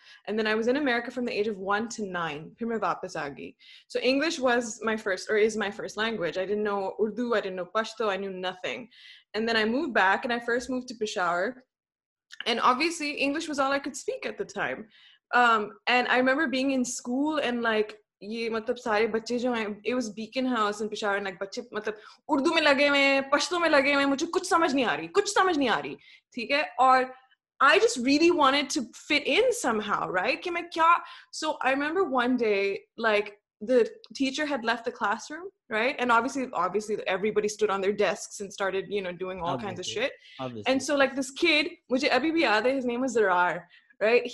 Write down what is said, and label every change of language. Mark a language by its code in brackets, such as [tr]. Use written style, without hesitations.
[en] And then I was in America from the age of 1 to 9. [hi] Phir main wapas aa gayi. [en] So English was my first, or is my first language. I didn't know Urdu, I didn't know Pashto, I knew nothing. And then I moved back and I first moved to Peshawar. And obviously English was all I could speak at the time. And I remember being in school and like, [hi] ये मतलब सारे बच्चे जो हैं, [en] it was Beacon House in Peshawar, like [hi] बच्चे मतलब उर्दू में लगे हुए, पश्तो में लगे हुए, मुझे कुछ समझ नहीं आ रही, ठीक है? और [en] I just really wanted to fit in somehow, right? [hi] कि मैं क्या? [en] So I remember one day, like the teacher had left the classroom, right? And obviously everybody stood on their desks and started, you know, doing all kinds of shit. Obviously. And so like this kid, [hi] मुझे अभी भी याद है, [en] his name was Zarar, right?